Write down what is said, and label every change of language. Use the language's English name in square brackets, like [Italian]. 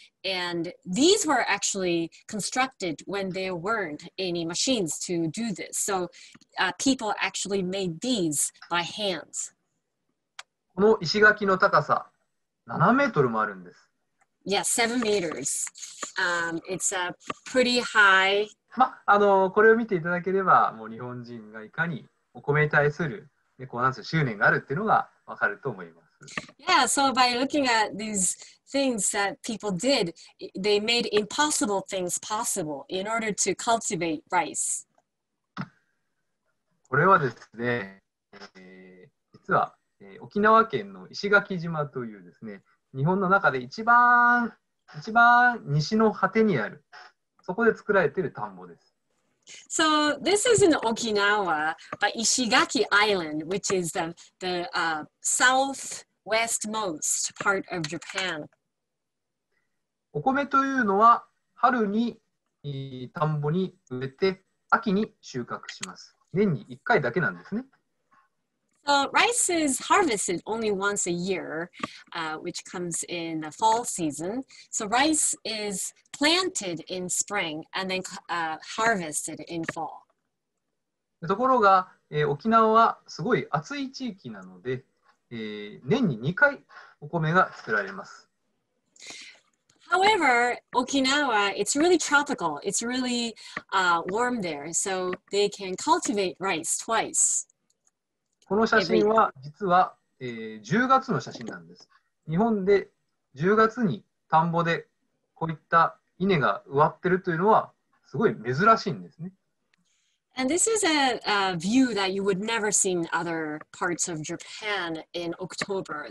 [English] And these were actually constructed when there weren't any machines to do this. So, people actually made these by hands. [Japanese] この石垣の高さ、7メートルもあるんです。 [English] Yeah, 7 meters. It's a pretty high. [Japanese] ま、これを見ていただければ、もう日本人がいかにお米に対する、ね、こうなんていう執念があるっていうのがわかると思います。 [English] Yeah, so by looking at these things that people did, they made impossible things possible in order to cultivate rice. [Japanese] これはですね、実は沖縄県の石垣島というですね、日本の中で一番西の果てにある、そこで作られている田んぼです。 [English] So, this is in Okinawa, but Ishigaki Island, which is the southwestmost part of Japan. [Japanese] お米というのは春に田んぼに植えて、秋に収穫します。年に1回だけなんですね。 [English] Rice is harvested only once a year, which comes in the fall season. So rice is planted in spring and then harvested in fall. [Japanese] ところが、沖縄はすごい暑い地域なので、年に2回お米が作られます。 [English] However, Okinawa, it's really tropical. It's really warm there, so they can cultivate rice twice. [Japanese] この写真は実は、10月の写真なんです。日本で10月に田んぼでこういった稲が植わってるというのはすごい珍しいんですね。 [English] And this is a view that you would never see in other parts of Japan in October.